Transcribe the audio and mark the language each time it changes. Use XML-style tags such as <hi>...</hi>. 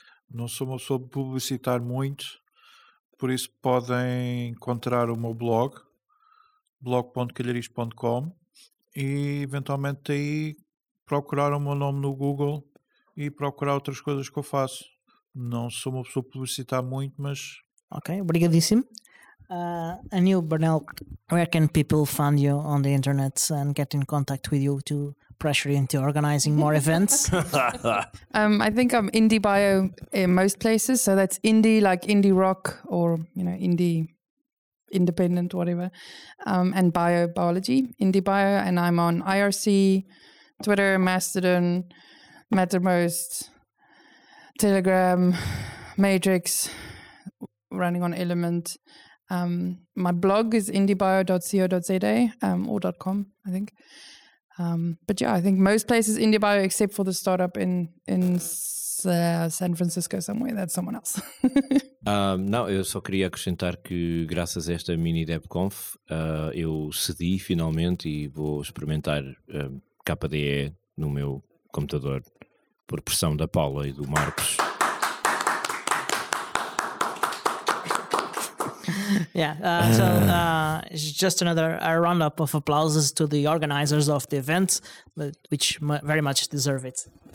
<pt>Não sou uma pessoa de publicitar muito, por isso podem encontrar o meu blog, blog.calheiris.com e eventualmente aí procurar o meu nome no Google e procurar outras coisas que eu faço. Não sou uma pessoa a publicitar muito, mas... Ok, obrigadíssimo.</pt> <en>Anil Bernal, where can people find you on the internet and get in contact with you to pressure you into organizing more events? I think I'm Indie Bio in most places, so that's indie, like indie rock, or, you know, indie independent, whatever, and bio, biology, Indie Bio, and I'm on IRC, Twitter, Mastodon, Mattermost, Telegram, Matrix, running on Element. My blog is indiebio.co.za or .com, I think. But yeah, I think most places IndieBio, except for the startup in San Francisco somewhere, that's someone else.</en> <pt>Não, eu só queria acrescentar que graças a esta mini DevConf, eu cedi finalmente e vou experimentar KDE no meu computador por pressão da Paula e do Marcos.</pt> <en>Yeah, just another roundup of applauses to the organizers of the event, which very much deserve it.</en>